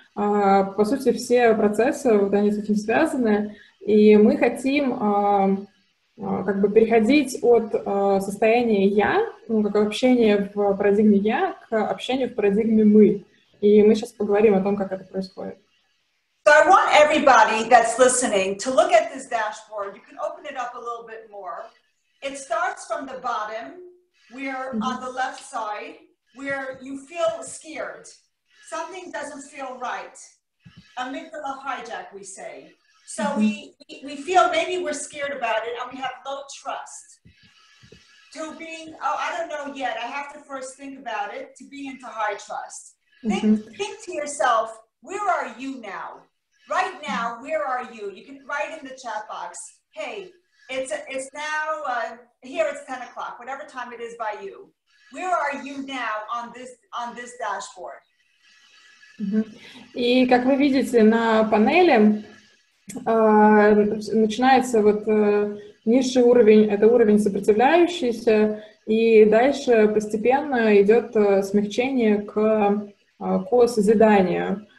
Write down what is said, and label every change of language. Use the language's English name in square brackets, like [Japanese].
[Russian] По сути, все процессы, вот они с этим связаны. И мы хотим как бы переходить от состояния «я», ну, как общения в парадигме «я», к общению в парадигме «мы». И мы сейчас поговорим о том, как это происходит. [English] So I want everybody that's listening to look at this dashboard. You can open it up a little bit more. It starts from the bottom. We're on the left side where you feel scared. Something doesn't feel right. Amygdala hijack, we say. So we feel maybe we're scared about it and we have low trust. To being, oh, I don't know yet. I have to first think about it to be into high trust. Think to yourself, where are you now? Right now, where are you? You can write in the chat box, hey, here it's 10 o'clock, whatever time it is by you. Where are you now on this dashboard? [Russian] И как вы видите на панели, начинается вот низший уровень, это уровень сопротивляющийся, и дальше постепенно идет смягчение к созиданию.